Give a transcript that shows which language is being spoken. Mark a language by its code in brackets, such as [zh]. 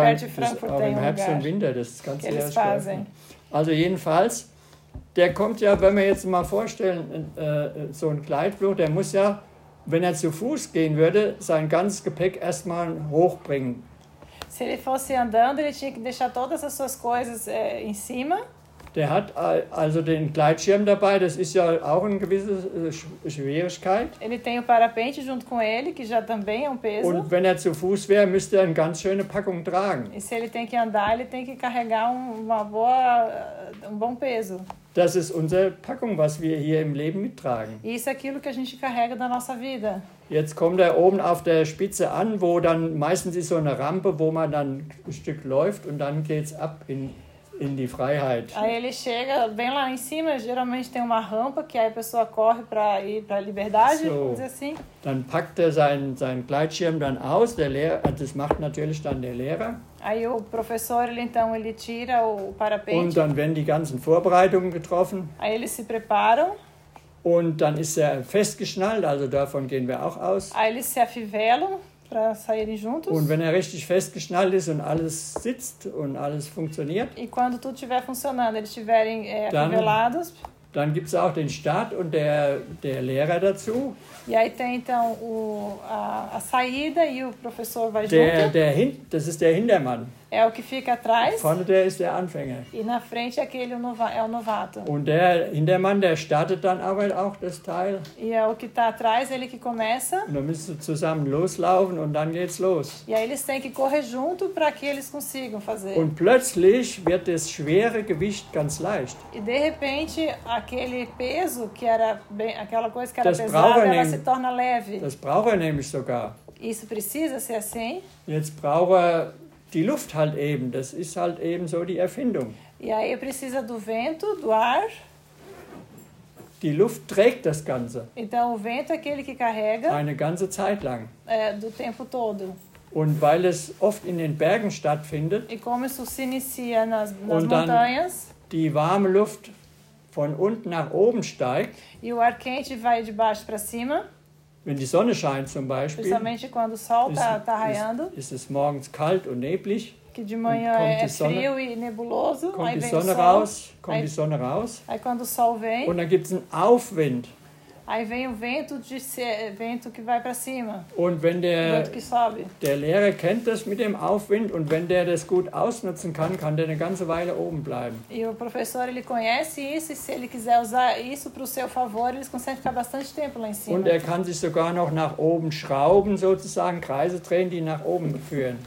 [de] auch im Herbst und Winter, das ist ganz sehr schön. Also jedenfalls, der kommt ja, wenn wir jetzt mal vorstellen, so ein Gleitflug, der muss ja, wenn er zu Fuß gehen würde, sein ganzes Gepäck erstmal hochbringen. [pt] Se ele fosse andando, ele tinha que deixar todas as suas coisas em cima. [de] der hat also den Gleitschirm dabei, das ist ja auch eine gewisse Schwierigkeit. [pt] Ele tem o parapente junto com ele, que já também é peso. [de] Und wenn er zu Fuß wäre, müsste er eine ganz schöne Packung tragen. [pt] E se ele tem que andar, ele tem que carregar uma boa, bom peso. [de] Das ist unsere Packung, was wir hier im Leben mittragen. [pt] Isso é aquilo que a gente carrega da nossa vida. [de] Jetzt kommt er oben auf der Spitze an, wo dann meistens ist so eine Rampe, wo man dann ein Stück läuft und dann geht's ab in die Freiheit. [pt] Aí ele chega bem lá em cima, geralmente tem uma rampa que aí a pessoa corre para ir para a liberdade, so, vamos dizer assim. [de] Dann packt er sein Gleitschirm dann aus, der Lehrer, das macht natürlich dann der Lehrer. [pt] Aí o professor, ele tira o parapente. [de] Und dann werden die ganzen Vorbereitungen getroffen. [pt] Aí eles se preparam. [de] Und dann ist er festgeschnallt, also davon gehen wir auch aus. [pt] Aí eles se afivelam para saírem juntos. [de] Und wenn er richtig festgeschnallt ist und alles sitzt und alles funktioniert. [pt] E quando tudo estiver funcionando, eles estiverem afivelados. [de] Dann gibt es auch den Start und der Lehrer dazu. [pt] E aí tem então a saída e o professor vai [de] junto. Das ist der Hintermann. [pt] É o que fica atrás. [de] Vorne der ist der Anfänger. [pt] E na frente aquele é o novato. [de] Und der Hintermann, der startet dann aber auch das Teil. [pt] E é o que está atrás, ele que começa. [de] Und dann müssen sie zusammen loslaufen und dann geht's los. [pt] E aí eles têm que correr junto para que eles consigam fazer. [de] Und plötzlich wird das schwere Gewicht ganz leicht. [pt] E de repente aquele peso que era aquela coisa que era pesada, ela se torna leve. [de] Das braucht er nämlich sogar. [pt] Isso precisa ser assim. [de] Jetzt braucht er die Luft halt eben, das ist halt eben so die Erfindung. [pt] Ja, ihr precisa do vento, do ar. [de] Die Luft trägt das Ganze. [pt] Então, o vento é aquele que carrega. [de] Eine ganze Zeit lang. [pt] Do tempo todo. [de] Und weil es oft in den Bergen stattfindet. [pt] E como isso se inicia nas montanhas. [de] Die warme Luft von unten nach oben steigt. [pt] E o ar quente vai de baixo para cima. [de] Wenn die Sonne scheint zum Beispiel, [pt] principalmente quando o sol tá raiando, [de] ist es morgens kalt und neblig. [pt] Que de manhã é frio e nebuloso. [de] Kommt [pt] aí [de] die Sonne raus. Kommt [pt] aí, [de] die Sonne raus. [pt] Aí quando o sol vem. [de] Und dann gibt's einen Aufwind. [pt] Aí vem o vento vento que vai para cima. [de] Und wenn [pt] vento que sobe. [de] Der Lehrer kennt das mit dem Aufwind und wenn der das gut ausnutzen kann, kann der eine ganze Weile oben bleiben. [pt] E o professor, ele conhece isso e se ele quiser usar isso para o seu favor, ele consegue ficar bastante tempo lá em cima. [de] Und er kann sich sogar noch nach oben schrauben, sozusagen Kreise drehen, die nach oben führen.